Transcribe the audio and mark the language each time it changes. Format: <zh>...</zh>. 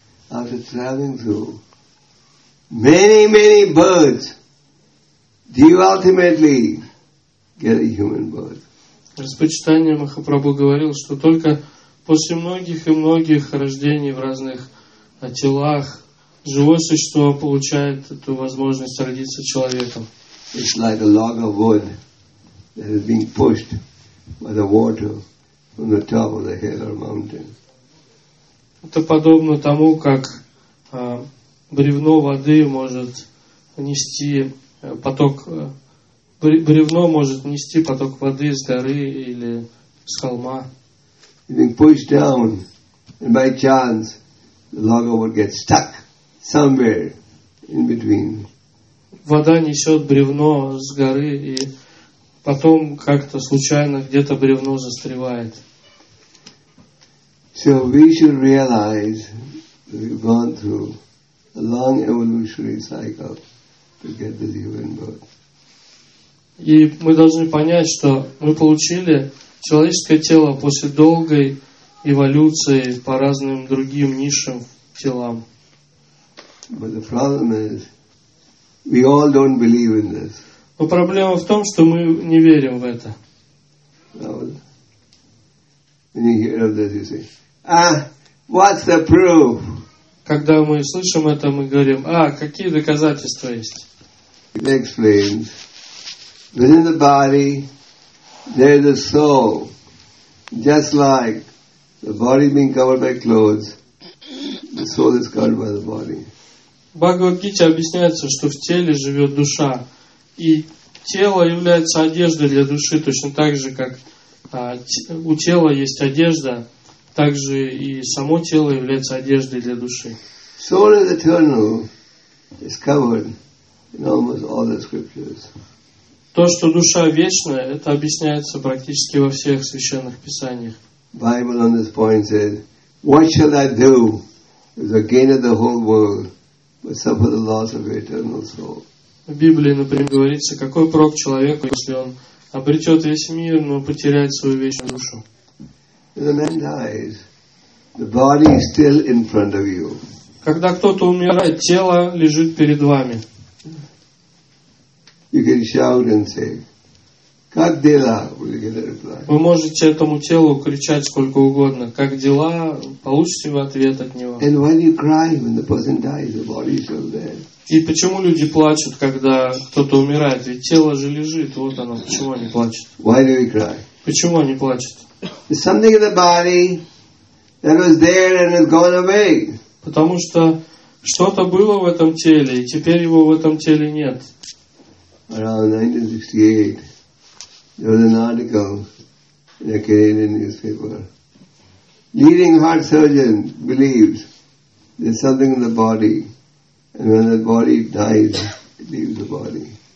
<en>After traveling through many, many births, do you ultimately get a human birth?</en> <ru>Господь Чайтанья Махапрабху говорил, что только после многих и многих рождений в разных телах живое существо получает эту возможность родиться человеком.</ru> <en>It's like a log of wood that is being pushed by the water from the top of the hill or mountain.</en> <ru>Это подобно тому, как бревно воды может нести поток, бревно может нести поток воды с горы или с холма.</ru> <en>Being pushed down, and by chance, the log would get stuck somewhere in between.</en> <ru>Вода несет бревно с горы, и потом как-то случайно где-то бревно застревает.</ru> <en>So we should realize that we've gone through a long evolutionary cycle to get this human birth.</en> <ru>И мы должны понять, что мы получили человеческое тело после долгой эволюции по разным другим низшим телам.</ru> <en>But the problem is, we all don't believe in this.</en> <ru>Но проблема в том, что мы не верим в это.</ru> <en>When you hear of this, you say, what's the proof?</en> <ru>Когда мы слышим это, мы говорим, какие доказательства есть?</ru> <en>It explains, within the body, there is a soul, just like the body being covered by clothes, the soul is covered by the body.</en> <ru>Бхагавад-гите объясняется, что в теле живет душа, и тело является одеждой для души, точно так же, как у тела есть одежда, также и само тело является одеждой для души.</ru> <en>Soul is eternal, is covered in almost all the scriptures.</en> <ru>То, что душа вечная, это объясняется практически во всех священных писаниях.</ru> <en>Bible on this point says, what shall I do if I gain the whole world but suffer the loss of eternal soul?</en> <ru>В Библии, например, говорится, какой прок человеку, если он обретет весь мир, но потеряет свою вечную душу.</ru> <en>When a man dies, the body is still in front of you.</en> <ru>Когда кто-то умирает, тело лежит перед вами.</ru> <en>You can shout and say,</en> <ru>Как дела? Вы можете этому телу кричать сколько угодно. Как дела? Получите вы ответ от него.</ru> <en>And why do you cry when the person dies, the body is still there?</en> <ru>И почему люди плачут, когда кто-то умирает? Ведь тело же лежит, вот оно. Почему они плачут?</ru> <en>Why do you cry?</en> <ru>Почему они плачут?</ru> <en>There's something in the body that was there and has gone away.</en> <ru>Потому что что-то было в этом теле, и теперь его в этом теле нет.</ru> <en>Around 1968. There was an article in a Canadian newspaper. Leading heart surgeon believes there's something in the body, and when the body dies, it leaves the body.</en>